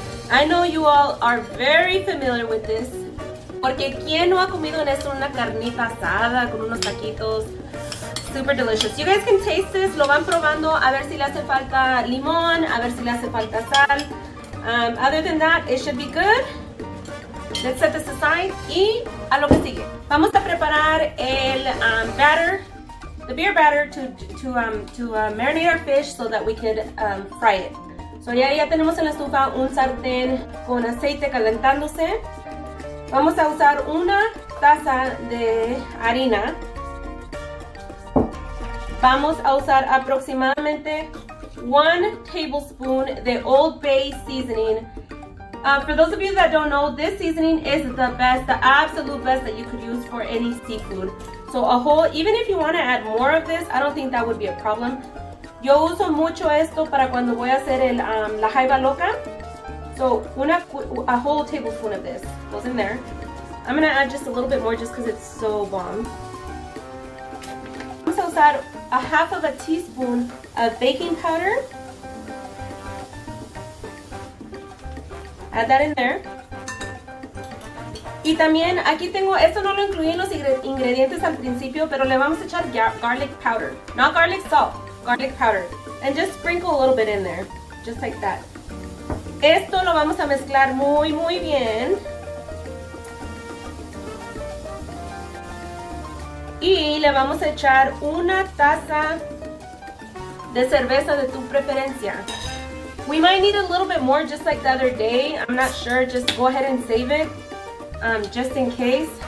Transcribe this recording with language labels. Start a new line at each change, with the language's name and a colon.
English: I know you all are very familiar with this.
Spanish: Porque ¿quién no ha comido en esto una carnita asada con unos taquitos?
English: Super delicious. You guys can taste this.
Spanish: Lo van probando a ver si le hace falta limón, a ver si le hace falta sal.
English: Other than that, it should be good. Let's set this aside.
Spanish: Y a lo que sigue. Vamos a preparar el
English: batter, the beer batter to marinate our fish so that we could fry it.
Spanish: So ya tenemos en la estufa un sartén con aceite calentándose. Vamos a usar una taza de harina. Vamos a usar aproximadamente 1 tablespoon de Old Bay seasoning.
English: For those of you that don't know, this seasoning is the best, the absolute best that you could use for any seafood. So a whole, even if you want to add more of this, I don't think that would be a problem.
Spanish: Yo uso mucho esto para cuando voy a hacer el la jaiba loca.
English: So a whole tablespoon of this goes in there. I'm going to add just a little bit more just because it's so bomb.
Spanish: Vamos a usar
English: a half of a teaspoon of baking powder. Add that in there.
Spanish: Y también aquí tengo, esto no lo incluí en los ingredientes al principio, pero le vamos a echar garlic powder.
English: Not garlic salt, garlic powder. And just sprinkle a little bit in there, just like that.
Spanish: Esto lo vamos a mezclar muy, muy bien. Y le vamos a echar una taza de cerveza de tu preferencia.
English: We might need a little bit more just like the other day. I'm not sure. Just go ahead and save it. Just in case.